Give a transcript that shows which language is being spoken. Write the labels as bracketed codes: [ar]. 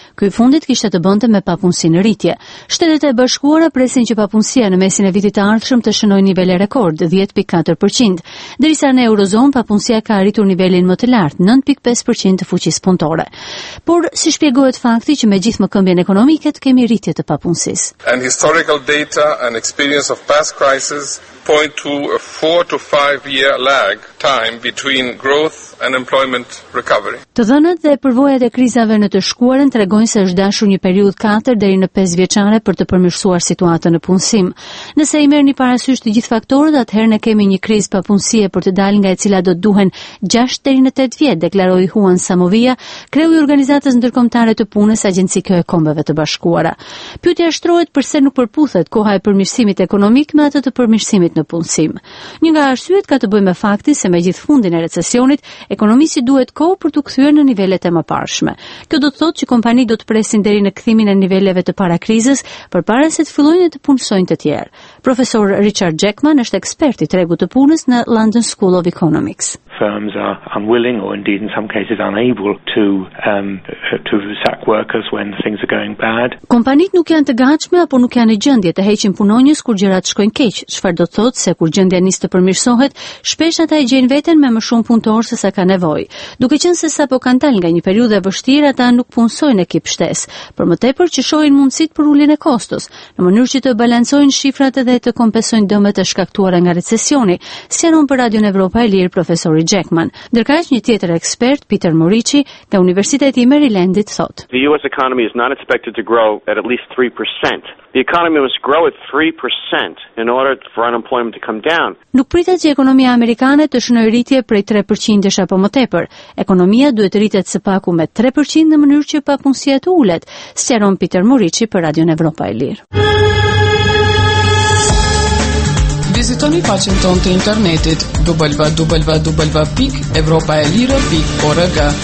[sq] Ky i fundit kishte të bënte me papunësinë rritje. Shtetet e Bashkuara presin që papunësia në mesin e vitit të ardhshëm të shënojë nivele rekord 10.4%, derisa në Eurozonë papunësia ka arritur nivelin më të lartë 9.5% të fuqisë punëtore. Por si shpjegohet fakti që me gjithë mëkëmbjen ekonomike kemi rritje të papunësisë? [en] And historical data and experience of past crises point to a 4 to 5 year lag time between growth and employment recovery. [sq] Të dhënat dhe përvojat e krizave në të shkuarën tregojnë se është dashur një periudhë 4 deri në 5 vjeçare për të përmirësuar situatën në punësim. Nëse i merrni parasysh të gjithë faktorët, atëherë ne kemi një krizë papunësie për të dalë nga e cila do të duhen 6 deri në 8 vjet, deklaroi Juan Samovia, kreu i organizatës ndërkombëtare të punës, Agjenci KE e Kombeve të Bashkuara. Pyetja shtrohet pse nuk përputhet koha e përmirësimit ekonomik me atë të përmirësimit në punësim. Një nga arsyet ka të bëjë me faktin se megjithë fundin e recesionit, ekonomisi duhet kohë për të kthyer në nivelet e mëparshme. Kjo do të thotë që kompanitë do të presin deri në kthimin e niveleve të para krizës përpara se të fillojnë të punësojnë të tjerë. Profesor Richard Jackman është ekspert i tregut të punës në London School of Economics. [en] Firms are unwilling or indeed in some cases unable to sack workers when things are going bad. [sq] Kompanitë nuk janë të gatshme apo nuk janë në gjendje të heqin punonjës kur gjërat shkojnë keq, çfarë do të thotë se kur gjendja nis të përmirësohet, shpesh ata e gjejnë veten me më shumë punëtor se sa ka nevojë. Duke qenë se sapo kanë dalë nga një periudhë e vështirë, ata nuk punsojnë ekip shtesë, por më tepër që shohin mundësitë për uljen e kostos, në mënyrë që të balancojnë shifrat edhe të kompensojnë dëmet e shkaktuara nga recesioni, sqaron për Radio Evropa e Lirë profesor Jackman. Ndërkaq një tjetër ekspert, Peter Morici, nga Universiteti i Marylandit, thotë: [en] The US economy is not expected to grow at least 3%. The economy must grow at 3% in order for unemployment to come down. [sq] Nuk pritet që ekonomia amerikane të shënojë rritje prej 3% apo më tepër. Ekonomia duhet të rritet së paku me 3% në mënyrë që papunësia të ulet, sqaron Peter Morici për Radio Evropa e Lirë. Vizitoni faqen tonë të internetit www.evropaelire.org.